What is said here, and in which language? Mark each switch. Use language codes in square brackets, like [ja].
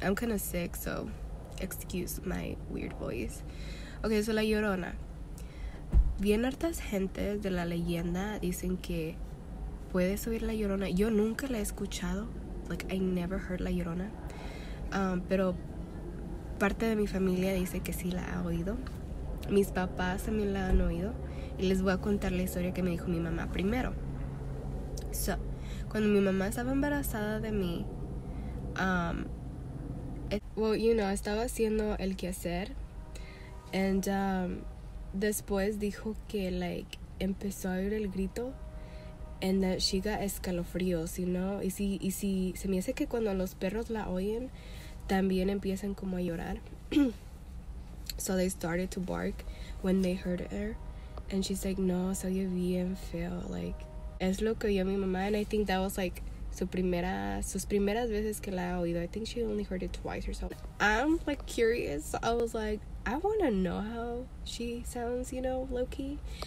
[en] I'm kind of sick, so excuse my weird voice. Okay, so la Llorona. [es] Bien hartas gentes de la leyenda dicen que puedes oír la Llorona. Yo nunca la he escuchado. [en] Like, I never heard [es] la Llorona. Pero parte de mi familia dice que sí la ha oído. Mis papás también la han oído. Y les voy a contar la historia que me dijo mi mamá primero. So, cuando mi mamá estaba embarazada de mí, estaba haciendo el quehacer. And, después dijo que, like, empezó a oír el grito. [en] And that she got [es] escalofríos, [en] you know. [es] Y si, se me hace que cuando los perros la oyen, también empiezan como a llorar. [en] So they started to bark when they heard her. And she's like, [es] no, se oye bien feo. Like, es lo que oyó mi mamá. [en] And I think that was, like, [es] sus primeras veces que la ha oído. [en] I think she only heard it twice or so. I'm, like, curious. So I was like, I want to know how she sounds, you know, low-key.